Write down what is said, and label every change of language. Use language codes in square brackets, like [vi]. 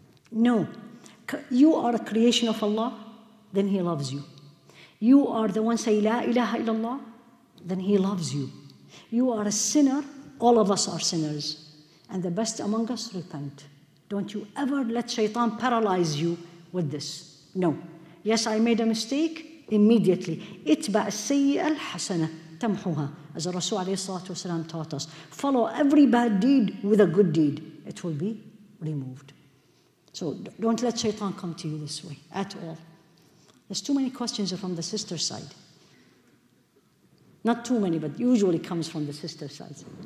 [en] No, you are a creation of Allah, then He loves you. You are the one say, La ilaha illallah, then He loves you. You are a sinner, all of us are sinners. And the best among us repent. Don't you ever let shaitan paralyze you with this. No. Yes, I made a mistake. Immediately. [ar] اتبع السيئة الحسنة تمحوها. [en] As the Rasul [ar] عليه الصلاة والسلام [en] taught us. Follow every bad deed with a good deed. It will be removed. So don't let shaitan come to you this way at all. There's too many questions from the sister side. Not too many, but usually comes from the sister side.